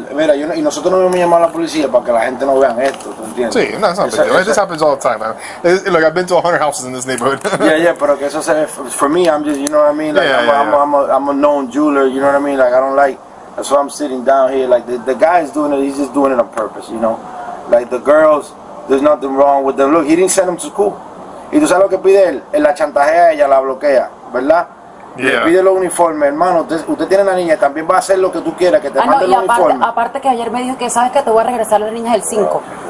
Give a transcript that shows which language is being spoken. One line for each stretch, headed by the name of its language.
Spanish: Mira, yo, y nosotros no vamos a llamar a la policía para que la gente no vean esto, ¿tú entiendes?
English: Sí, no, it's not a big deal. This happens all the time, man. Look, I've been to 100 houses in this neighborhood. yeah,
Spanish: pero que eso se ve,
English: for me, I'm just, you know what I mean? I'm a known jeweler, you know what I mean? Like, I don't like, that's why I'm sitting down here. Like, the guy is doing it, he's just doing it on purpose, you know? Like, the girls, there's nothing wrong with them. Look, he didn't send them to school.
Spanish: Y tú sabes lo que pide él, la chantajea ella, la bloquea, ¿verdad?
English: Yeah.
Spanish: Pide los uniformes, hermano. Usted tiene la niña y también va a hacer lo que tú quieras, que te mande el uniforme. Aparte que ayer me dijo que sabes que te voy a regresar a la niña el 5.